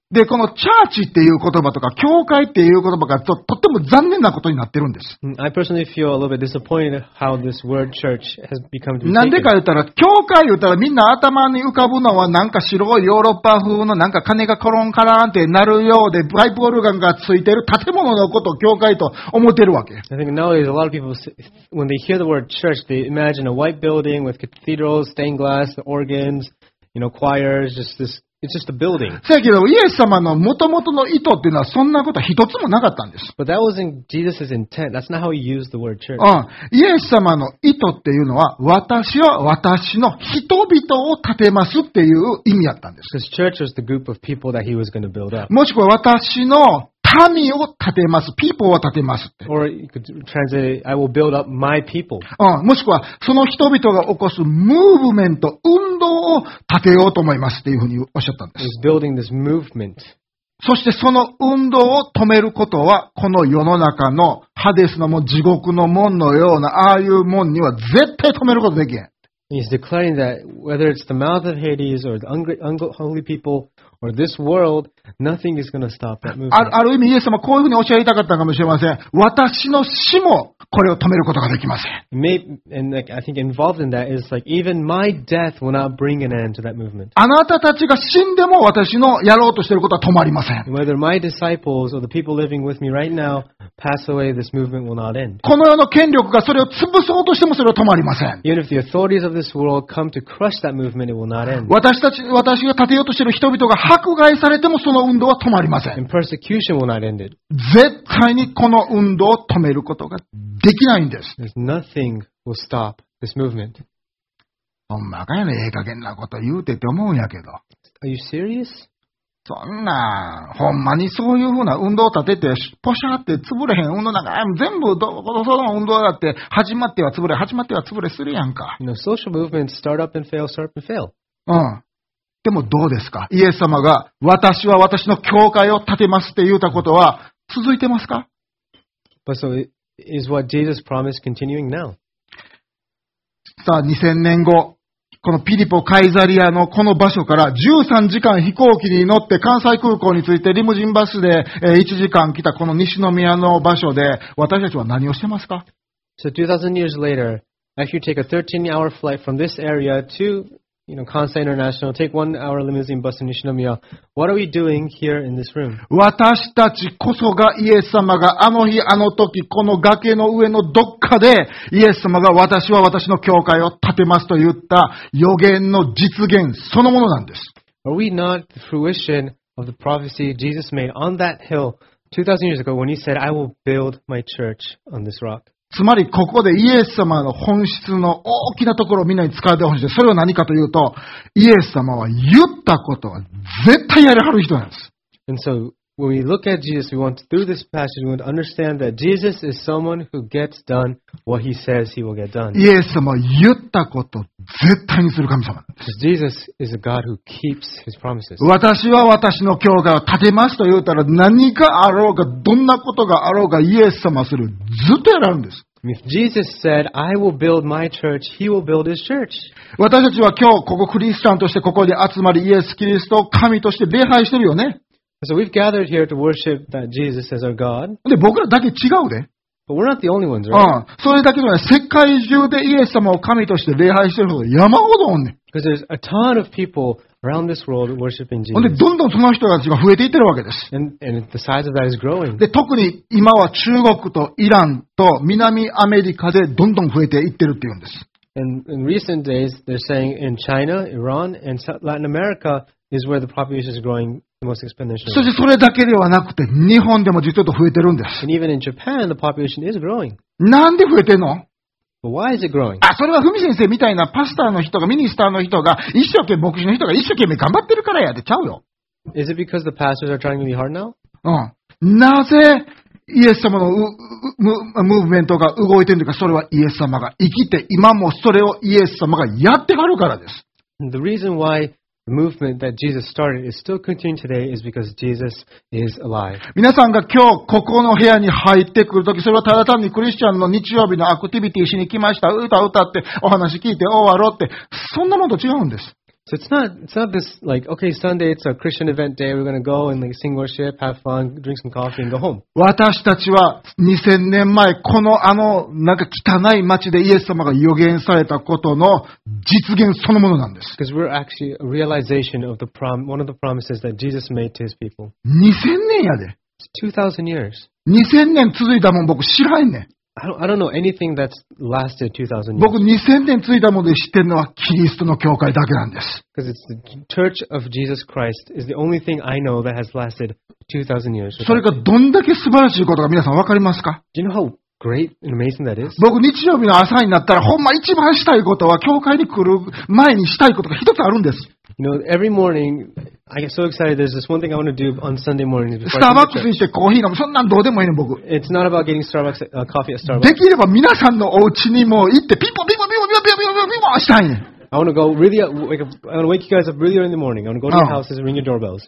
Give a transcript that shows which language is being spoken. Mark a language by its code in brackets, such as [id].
[ja] で、このチャーチっていう言葉とか、教会っていう言葉が とっても残念なことになってるんです。 [en] I personally feel a little bit disappointed how this word church has become to be taken. [ja] なんでか言ったら、教会言ったらみんな頭に浮かぶのはなんか白いヨーロッパ風のなんか鐘がコロンカラーンってなるようで、パイプオルガンがついてる建物のことを教会と思ってるわけ。 [en] I think nowadays a lot of people, when they hear the word church, they imagine a white building with cathedrals, stained glass, organs, you know, choirs, just this... It's just a building. [ja] せやけど、イエス様の元々の意図っていうのはそんなことは一つもなかったんです。 [en] But that wasn't Jesus's intent. That's not how he used the word church. [ja] イエス様の意図っていうのは、私は私の人々を建てますっていう意味だったんです。 [en] Because church was the group of people that he was going to build up. [ja] もしくは私の民を建てます。people を建てますって。 [en] Or you could translate, I will build up my people. [ja] もしくは、その人々が起こすムーブメント、運動を建てようと思いますっていうふうにおっしゃったんです。 [en] He's building this movement. [ja] そしてその運動を止めることは、この世の中のハデスのもう地獄の門のような、ああいう門には絶対止めることできない。 [en] He's declaring that whether it's the mouth of Hades or the unholy people or this world, nothing is going to stop that movement. [ja] ある意味、イエス様はこういうふうにおっしゃりたかったかもしれません。私の死もこれを止めることができません。 [en] And like, I think involved in that is like, even my death will not bring an end to that movement. [ja] あなたたちが死んでも私のやろうとしていることは止まりません。 [en] Whether my disciples or the people living with me right now pass away, this movement will not end. [ja] この世の権力がそれを潰そうとしてもそれは止まりません。 [en] Even if the authorities of this world come to crush that movement, it will not end. [ja] 私が立てようとしている人々が迫害されてもその運動は止まりません。 [en] And persecution will not end it. [ja] 絶対にこの運動を止めることができないんです。 [en] There's nothing will stop this movement. [ja] ほんまかやね、ええ加減なこと言うてって思うんやけど。 [en] Are you serious? [ja] そんな、ほんまにそういうふうな運動を立ててポシャって潰れへん運動なんか全部その運動だって始まっては潰れ始まっては潰れするやんか。 [en] You know, social movements start up and fail, start up and fail. [ja] うん。でもどうですか？イエス様が私は私の教会を建てますって言ったことは続いてますか？ [en] But so is what Jesus promised continuing now? [ja] さあ2000年後。このピリポカイザリアのこの場所から13時間飛行機に乗って関西空港に着いてリムジンバスで1時間来たこの西宮の場所で私たちは何をしてますか [en] ?So 2000 years later, after you take a 13-hour flight from this area to, you know, Kansai International, take 1-hour limousine bus to Nishinomiya, what are we doing here in this room? [ja] 私たちこそがイエス様があの日あの時この崖の上のどっかでイエス様が私は私の教会を建てますと言った予言の実現そのものなんです。 [en] Are we not the fruition of the prophecy Jesus made on that hill 2000 years ago when he said, I will build my church on this rock? [ja] つまりここでイエス様の本質の大きなところをみんなに使ってほしい。それは何かというと、イエス様は言ったことは絶対やりはる人なんです。 [en] And so, when we look at Jesus, we want to, through this passage, we want to understand that Jesus is someone who gets done what he says he will get done. [ja] イエス様は言ったことを絶対にする神様なんです。 [en] Jesus is a God who keeps his promises. [ja] 私は私の教会を建てますと言ったら何があろうが、どんなことがあろうが、イエス様はそれをずっとやられるんです。 [en] If Jesus said, I will build my church, he will build his church. [ja] 私たちは今日ここクリスチャンとしてここに集まり、イエス・キリストを神として礼拝してるよね。 [en] So we've gathered here to worship that Jesus as our God. [ja] で、僕らだけ違うで。 [en] But we're not the only ones, right? [ja] うん。それだけじゃない。世界中でイエス様を神として礼拝してる人が山ほどおんねん。 [en] Because there's a ton of people around this world worshiping Jesus. [ja] で、どんどんその人たちが増えていってるわけです。 [en] And the size of that is growing. [ja] で、特に今は中国とイランと南アメリカでどんどん増えていってるっていうんです。 [en] In recent days, they're saying in China, Iran, and Latin America is where the population is growing the most exponentially. [ja] そしてそれだけではなくて、日本でも実は増えてるんです。 [en] And even in Japan, the population is growing. [ja] なんで増えてんの？ [en] But why is it growing? [ja] あ、それはフミ先生みたいなパスターの人が、ミニスターの人が、一生懸命、牧師の人が一生懸命頑張ってるからやでちゃうよ。 [en] Is it because the pastors are trying really hard now? うん。 [ja] なぜ、イエス様のムーブメントが動いてるのか、それはイエス様が生きて、今もそれをイエス様がやってはるからです。 [en] The reason why the movement that Jesus started is still continuing today is because Jesus is alive. [ja] 皆さんが今日ここの部屋に入ってくるとき、それはただ単にクリスチャンの日曜日のアクティビティしに来ました、歌歌って、お話聞いて終わろうって、そんなものと違うんです。 [en] So it's not this like, okay, Sunday it's a Christian event day, we're going to go and like sing worship, have fun, drink some coffee and go home. [ja] 私たちは2000年前このあのなんか汚い街でイエス様が予言されたことの実現そのものなんです。 [en] Because we're actually a realization of one of the promises that Jesus made to his people. [ja] 2000年やで。 [en] It's 2000 years. [ja] 2000年続いたもん僕知らんねん。 [en] I don't know anything that's lasted 2000 years. [ja] 僕2000年ついたもので知ってるのはキリストの教会だけなんです。 [en] Because it's the Church of Jesus Christ is the only thing I know that has lasted 2000 years. [ja] それがどんだけ素晴らしいことか皆さんわかりますか？ [en] Do you know how great and amazing that is? [ja] 僕日曜日の朝になったらほんま一番したいことは教会に来る前にしたいことが一つあるんです。 [en] You know, every morning, I get so excited. There's this one thing I want to do on Sunday morning. [ja] スターバックスに行ってコーヒー飲む。そんなんどうでもいいね、僕。 [en] It's not about getting Starbucks, coffee at Starbucks. [ja] できれば皆さんのお家にも行って、ピッポピッポピッポピッポピッポピッポピッポピッポしたいね。 [en] I want to go really, I want to wake you guys up really early in the morning. I want to go to your houses and ring your doorbells.